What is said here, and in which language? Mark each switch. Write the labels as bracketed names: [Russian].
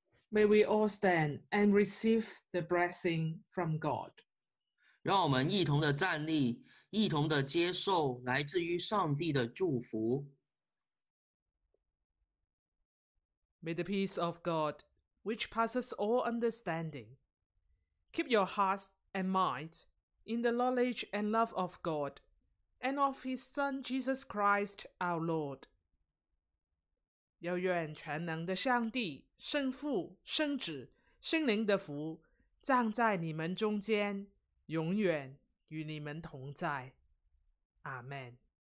[English] May we all stand and receive the blessing from God. [Chinese] 让我们一同的站立，一同的接受来自于上帝的祝福。 [English] May the peace of God, which passes all understanding, keep your hearts and minds in the knowledge and love of God and of His Son Jesus Christ, our Lord. [Chinese] 有愿全能的上帝圣父圣子圣灵的福葬在你们中间永远与你们同在阿们